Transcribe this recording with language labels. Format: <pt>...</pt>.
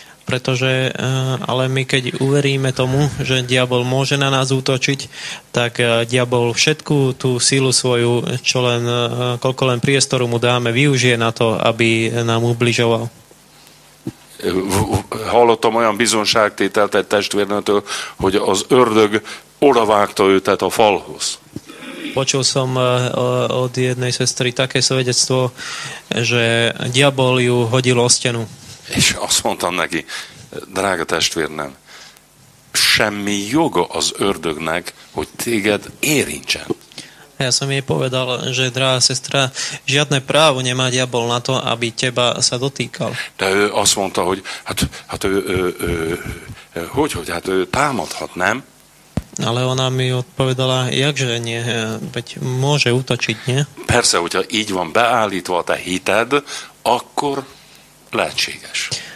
<sk>pretože ale my keď uveríme tomu, že diabol môže na nás útočiť, tak diabol všetku tú sílu svoju, čo len, koľko len priestoru mu dáme, využije na to, aby nám ubližoval.</sk> <hu>Hallottam olyan bizonságtételt egy testvérnőtől, hogy az ördög odavágta őtet a falhoz.</hu> <sk>Počul som od jednej sestry také svedectvo, že diabol ju hodil o stenu.</sk> <hu>És azt mondtam neki, drága testvérnem, semmi joga az ördögnek, hogy téged érintsen.</hu> <sk>Ja som jej povedal, že drahá sestra, žiadne právo nemá diabol na to, aby teba sa dotýkal.</sk> <hu>De ő azt mondta, hogy hát ő támadhat, nem?</hu> <sk>Ale ona mi odpovedala, jakže nie, veď môže útočiť, nie?</sk> <hu>Persze, hogyha így van beállítva a te hited, akkor lehetséges.</hu>